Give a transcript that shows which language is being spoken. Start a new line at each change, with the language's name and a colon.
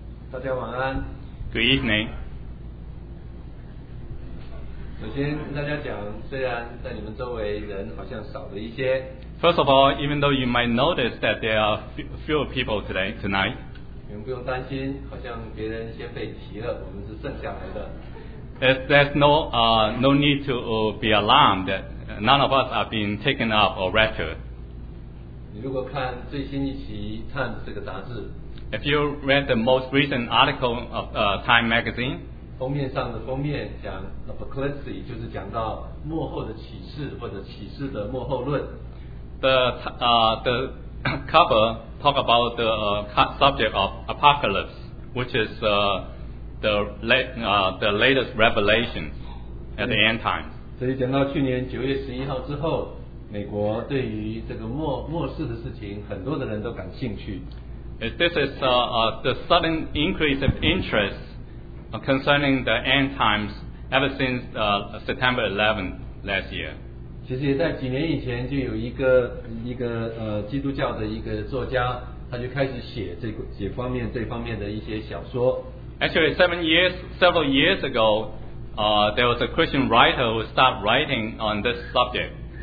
Chinese: 大家晚安。
English: Good evening。
Chinese: 首先跟大家讲，虽然在你们周围人好像少了一些。
English: First of all, even though you might notice that there are few people today, tonight.
Chinese: 你们不用担心，好像别人先被提了，我们是剩下来的。
English: There's no need to be alarmed that none of us are being taken up or raptured.
Chinese: 你如果看最新一期《Time》这个杂志。
English: If you read the most recent article of Time magazine,
Chinese: 封面上的封面讲 Apocalypse, 就是讲到末后的启示或者启示的末后论。
English: The cover talk about the subject of Apocalypse, which is the latest revelation at the end time.
Chinese: 所以讲到去年9月11号之后，美国对于这个末世的事情，很多的人都感兴趣。
English: This is the sudden increase of interest concerning the end times ever since September 11th last year.
Chinese: 其实也在几年以前就有一个基督教的一个作家，他就开始写这方面的一些小说。
English: Actually, several years ago, there was a Christian writer who started writing on this subject.